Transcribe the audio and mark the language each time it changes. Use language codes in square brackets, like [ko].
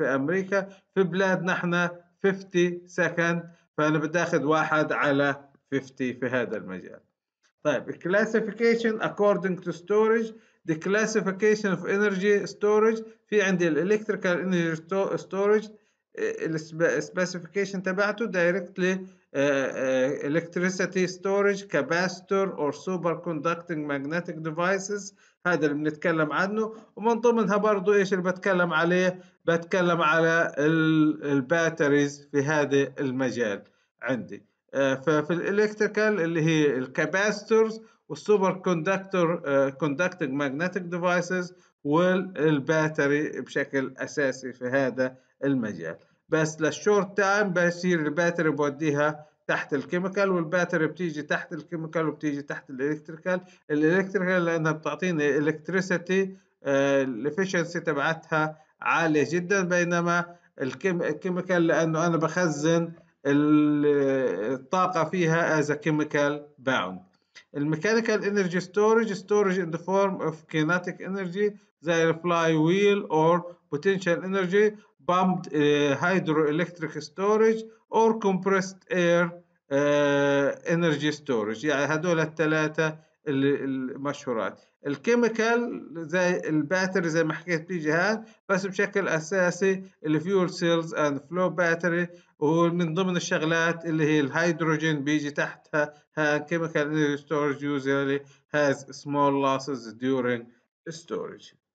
[ar] في امريكا، في بلادنا احنا 50 second، فانا بداخد واحد على 50 في هذا المجال. [en] طيب classification according to storage. The classification of energy storage، [ar] في عندي [en] electrical energy storage specification تبعته directly electricity storage capacitor or superconducting magnetic devices، [ar] هذا اللي بنتكلم عنه. ومن ضمنها برضو ايش اللي بتكلم عليه؟ بتكلم على الباتريز في هذا المجال عندي. ففي الالكتريكال اللي هي الكاباسيتورز والسوبر كوندكتور كوندكتنج ماجنتيك ديفايسز والباتري بشكل اساسي في هذا المجال. بس للشورت تايم بيصير الباتري بوديها تحت الكيميكال، والباتري بتيجي تحت الكيميكال وبتيجي تحت الالكتريكال. الالكتريكال لانها بتعطيني الكتريسيتي الافشنسي تبعتها عالية جدا، بينما الكيميكال لانه انا بخزن الطاقة فيها [en] as a chemical bound. الميكانيكال energy storage, storage in the form of kinetic energy زي الفلاي wheel or potential energy pumped hydroelectric storage or compressed air energy storage. [ar] يعني هدول الثلاثة المشهورات. الكيميكال زي الباتري زي ما حكيت في جهاز، بس بشكل أساسي الفيول سيلز [en] and flow battery، [ar] ومن ضمن الشغلات اللي هي الهيدروجين بيجي تحتها. [en] Chemical energy storage usually has small losses during storage.